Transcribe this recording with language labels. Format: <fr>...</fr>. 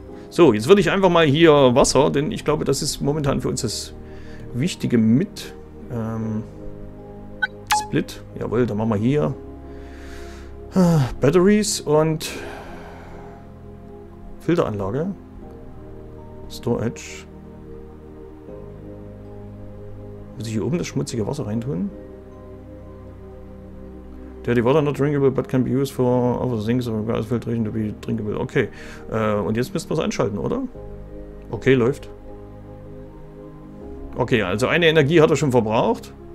<de>So, jetzt würde ich einfach mal hier Wasser, denn ich glaube, das ist momentan für uns das Wichtige mit Split. Jawohl, dann machen wir hier Batteries und Filteranlage, Storage. Muss ich hier oben das schmutzige Wasser reintun?</de> <en>Dirty water not drinkable, but can be used for other things, or gas filtration to be drinkable.</en> <de>Okay, und jetzt müssen wir es einschalten, oder? Okay, läuft. Okay, also eine Energie hat er schon verbraucht.</de>